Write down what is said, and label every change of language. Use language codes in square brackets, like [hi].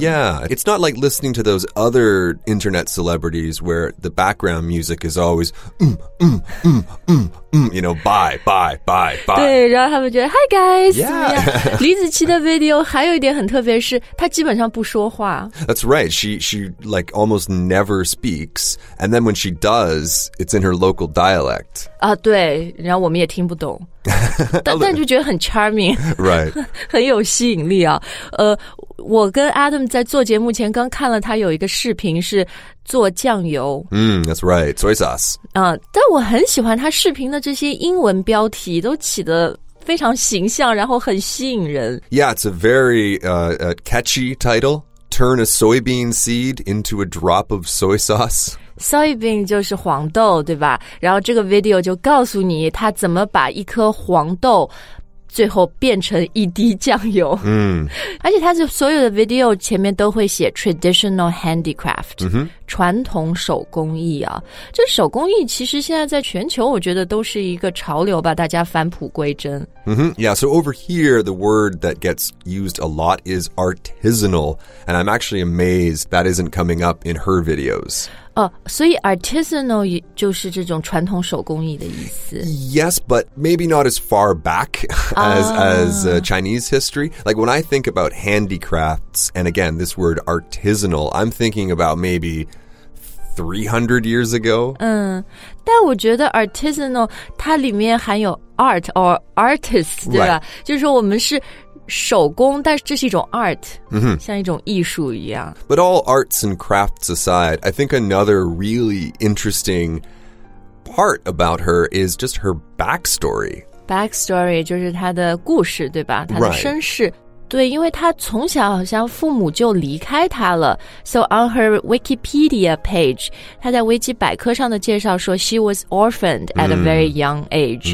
[en] Yeah, it's not like listening to those other internet celebrities where the background music is always you know, bye. [zh] 对，然后他们觉得 [en] hi guys. Yeah. [zh] 李子柒的 video 还有一点很特别是她基本上不说话。 [en] That's right. She like almost never speaks. And then when she does, it's in her local dialect. [zh] 啊，对，然后我们也听不懂。但就觉得很 charming. Right. 很有吸引力啊。我跟 Adam 在做节目前刚看了他有一个视频是做酱油。 [en] That's right, soy sauce. [zh] 但我很喜欢他视频的这些英文标题都起得非常形象然后很吸引人 [en] Yeah, it's a very catchy title Turn a soybean seed into a drop of soy sauce [zh] Soybean 就是黄豆对吧然后这个 video 就告诉你他怎么把一颗黄豆最后变成一滴酱油、嗯、而且他是所有的 video 前面都会写 traditional handicraft、嗯、传统手工艺啊这手工艺其实现在在全球我觉得都是一个潮流吧大家返璞归真、 [en] 嗯、Yeah, so over here the word that gets used a lot is artisanal and I'm actually amazed that isn't coming up in her videos [zh] 所以 artisanal 就是这种传统手工艺的意思。 [en] Yes, but maybe not as far back as,、Chinese history. Like when I think about handicrafts, and again, this word artisanal, I'm thinking about maybe 300 years ago. [zh] 嗯，但我觉得 artisanal 它里面含有 [en] art or artist, [zh] 对吧、 [en] right. [zh] 就是说我们是手工但是这是一种 art、 mm-hmm. 像一种艺术一样 [en] But all arts and crafts aside I think another really interesting part about her is just her backstory [zh] Backstory 就是她的故事对吧她的身世、 [en] right. [zh] 对因为她从小好像父母就离开她了 [en] So on her Wikipedia page [zh] 她在维基百科上的介绍说 [en] She was orphaned at a very young age、